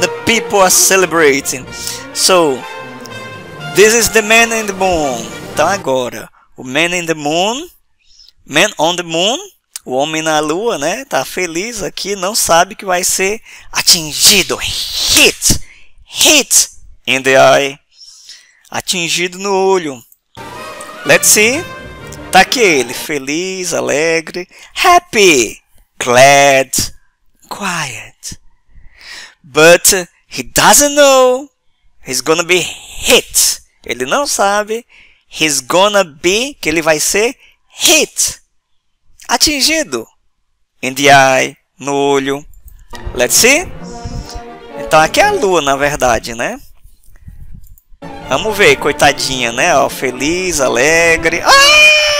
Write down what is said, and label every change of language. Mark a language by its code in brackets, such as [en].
[en] The people are celebrating. So, this is the man in the moon. [pt] Então agora, o [en] man in the moon, man on the moon, [pt] O homem na lua, né? Tá feliz aqui, não sabe que vai ser atingido. [en] Hit in the eye. [pt] Atingido no olho. [en] Let's see. [pt] Tá aqui ele, feliz, alegre. [en] Happy, glad, quiet. But he doesn't know he's gonna be hit. [pt] Ele não sabe [en] he's gonna be, [pt] que ele vai ser hit. Atingido. [en] In the eye, [pt] no olho. [en] Let's see. [pt] Então aqui é a lua, na verdade, né? Vamos ver, coitadinha, né? Ó, feliz, alegre. Ah!